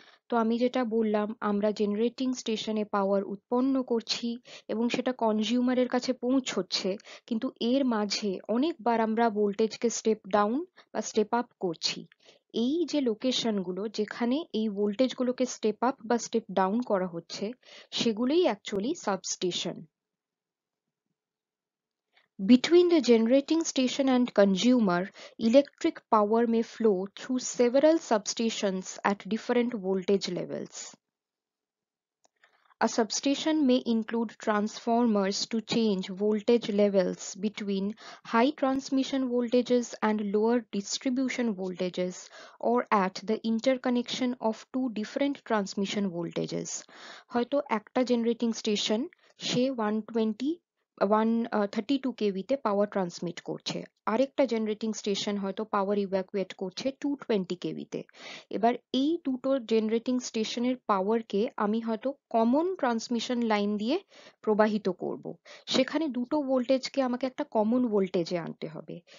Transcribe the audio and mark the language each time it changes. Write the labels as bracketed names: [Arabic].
[Bangla] তো আমি যেটা বললাম, আমরা জেনারেটিং স্টেশনে পাওয়ার উৎপন্ন করছি এবং সেটা কনজিউমারের কাছে পৌঁছচ্ছে, কিন্তু এর মাঝে অনেকবার আমরা ভোল্টেজকে স্টেপ ডাউন বা স্টেপ আপ করছি। এই যে লোকেশনগুলো যেখানে এই ভোল্টেজগুলোকে স্টেপ আপ বা স্টেপ ডাউন করা হচ্ছে, সেগুলোই actually substation. [English] Between the generating station and consumer, electric power may flow through several substations at different voltage levels. A substation may include transformers to change voltage levels between high transmission voltages and lower distribution voltages or at the interconnection of two different transmission voltages. [Bangla] Hoyto ekta generating station she 132 কেভিতে power transmit করছে, আরেকটা generating station হয়তো পাওয়ার evacuate করছে 220 কেভিতে। এবার এই দুটো generating স্টেশনের পাওয়ারকে আমি হয়তো কমন ট্রান্সমিশন লাইন দিয়ে প্রবাহিত করব, সেখানে দুটো ভোল্টেজকে আমাকে একটা কমন ভোল্টেজে আনতে হবে।